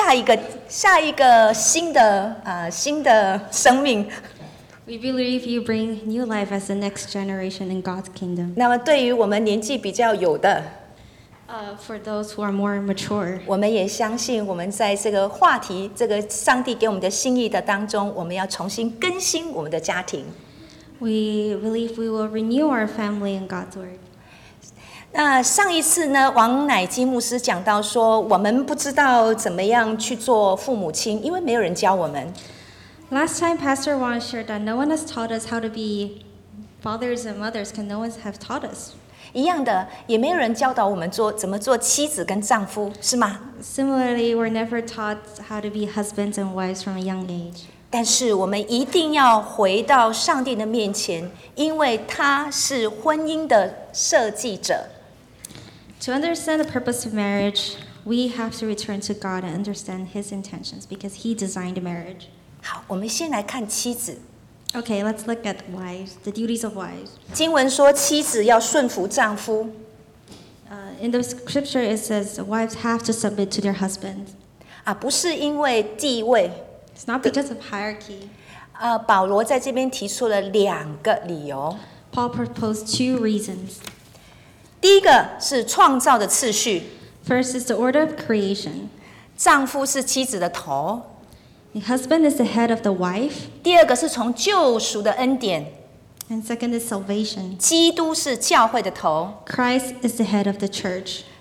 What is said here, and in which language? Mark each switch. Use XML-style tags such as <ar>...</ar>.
<zh>但我们相信你们就是神国的下一个新的, 新的生命。</zh> <en>We believe you bring new life as the next generation in God's kingdom.</en> <zh>那么对于我们年纪比较有的,</zh> <en>For those who are more mature,</en> <zh>我们也相信我们在这个话题, 这个上帝给我们的心意的当中, 我们要重新更新我们的家庭。</zh> <en>We believe we will renew our family in God's word.</en> <zh>那上一次呢, 王乃基牧师讲到说, 我们不知道怎么样去做父母亲, 因为没有人教我们。</zh> <en>Last time, Pastor Wan shared that no one has taught us how to be fathers and mothers, because no one has taught us.</en> <zh>一样的, 也没有人教导我们做怎么做妻子跟丈夫, 是吗?</zh> <en>Similarly, we're never taught how to be husbands and wives from a young age.</en> <zh>但是我们一定要回到上帝的面前, 因为他是婚姻的设计者。</zh> <en>To understand the purpose of marriage, we have to return to God and understand His intentions, because He designed marriage.</en> <zh>好,我们先来看妻子。</zh> <en>Okay, let's look at wives, the duties of wives.</en> <zh>经文说妻子要顺服丈夫。</zh> <en>In the scripture it says wives have to submit to their husbands.</en> <zh>不是因为地位。</zh> <en>It's not because of hierarchy.</en> <zh>保罗在这边提出了两个理由。</zh> <en>Paul proposed two reasons.</en> <zh>第一个是创造的次序。</zh> <en>First is the order of creation.</en> <zh>丈夫是妻子的头。</zh> <en>The husband is the head of the wife.</en> <zh>第二个是从救赎的恩典。</zh> <en>And second is salvation.</en> <zh>基督是教会的头。</zh> <en>Christ is the head of the church.</en>